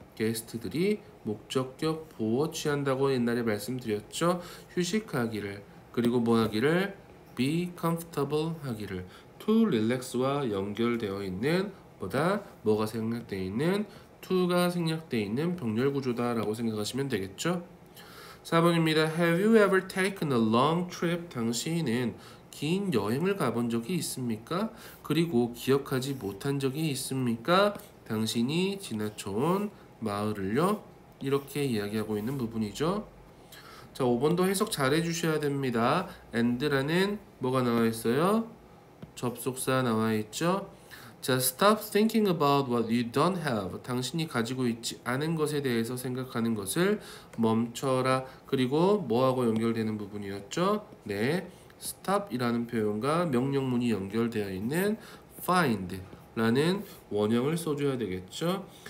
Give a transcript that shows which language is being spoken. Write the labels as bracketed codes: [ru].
[ko] 게스트들이 목적격 보호 취한다고 옛날에 말씀드렸죠. 휴식하기를 그리고 뭐 하기를? be comfortable 하기를 to relax와 연결되어 있는 뭐다? 뭐가 생략되어 있는? to가 생략되어 있는 병렬구조다 라고 생각하시면 되겠죠? 4번입니다. [en] have you ever taken a long trip? [ko] 당신은 긴 여행을 가본 적이 있습니까? 그리고 기억하지 못한 적이 있습니까? 당신이 지나쳐온 마을을요? 이렇게 이야기하고 있는 부분이죠. 자, 5번도 해석 잘 해주셔야 됩니다. And라는 뭐가 나와 있어요? 접속사 나와 있죠? [en] 자, stop thinking about what you don't have. [ko] 당신이 가지고 있지 않은 것에 대해서 생각하는 것을 멈춰라. 그리고 뭐하고 연결되는 부분이었죠? 네. stop이라는 표현과 명령문이 연결되어 있는 find라는 원형을 써줘야 되겠죠?